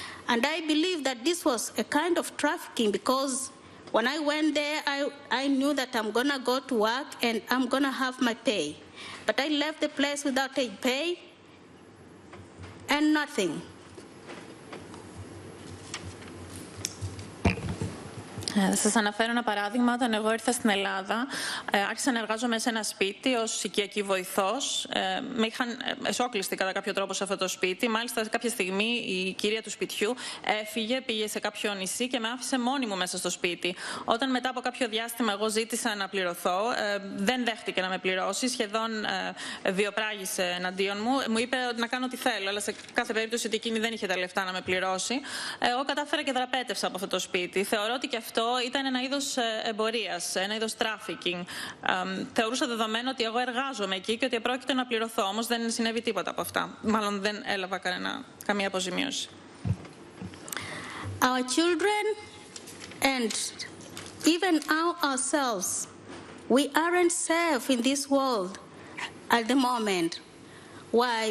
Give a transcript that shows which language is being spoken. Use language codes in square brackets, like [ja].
[en] And I believe that this was a kind of trafficking, because when I went there, I knew that I'm going to go to work and I'm going to have my pay. But I left the place without a pay and nothing. [el] Σας αναφέρω ένα παράδειγμα. Όταν εγώ ήρθα στην Ελλάδα, άρχισα να εργάζομαι σε ένα σπίτι ως οικιακή βοηθός. Με είχαν εσόκλειστη κατά κάποιο τρόπο σε αυτό το σπίτι. Μάλιστα, κάποια στιγμή η κυρία του σπιτιού έφυγε, πήγε σε κάποιο νησί και με άφησε μόνη μου μέσα στο σπίτι. Όταν μετά από κάποιο διάστημα εγώ ζήτησα να πληρωθώ, δεν δέχτηκε να με πληρώσει. Σχεδόν βιοπράγησε εναντίον μου. Μου είπε να κάνω ό,τι θέλω, αλλά σε κάθε περίπτωση ότι εκείνη δεν είχε τα λεφτά να με πληρώσει. Εγώ κατάφερα και δραπέτευσα από αυτό το σπίτι. Θεωρώ ότι και αυτό ήταν ένα είδος εμπορίας, ένα είδος trafficking. Θεωρούσα δεδομένο ότι εγώ εργάζομαι εκεί και ότι επρόκειτο να πληρωθώ, όμως δεν συνέβη τίποτα από αυτά. Μάλλον δεν έλαβα καμία αποζημίωση. [en] Our children and even ourselves, we aren't safe in this world at the moment. Why?